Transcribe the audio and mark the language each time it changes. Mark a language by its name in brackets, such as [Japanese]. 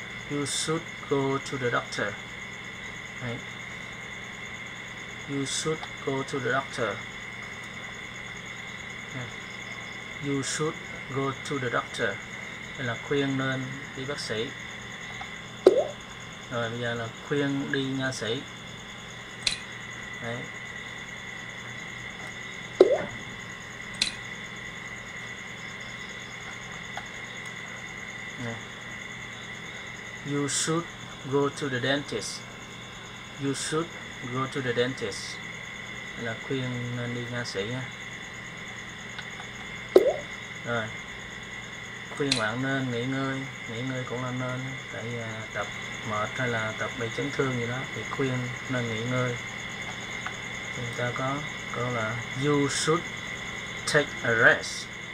[English] You should go to the doctor. Right. You should go to the doctor. Right. You should go to the doctor. [Vietnamese] Đây là khuyên nên đi bác sĩ. Rồi bây giờ là khuyên đi nha sĩ. Đấy. Này. [English] You should go to the dentist. You should go to the dentist. [Vietnamese] Đây là khuyên nên đi nha sĩ nha. Rồi. Khuyên bạn nên nghỉ ngơi. Nghỉ ngơi cũng là nên. Tại tập mệt hay là tập bị chấn thương gì đó thì khuyên nên nghỉ ngơi. Chúng ta có câu là [English] you should take a rest.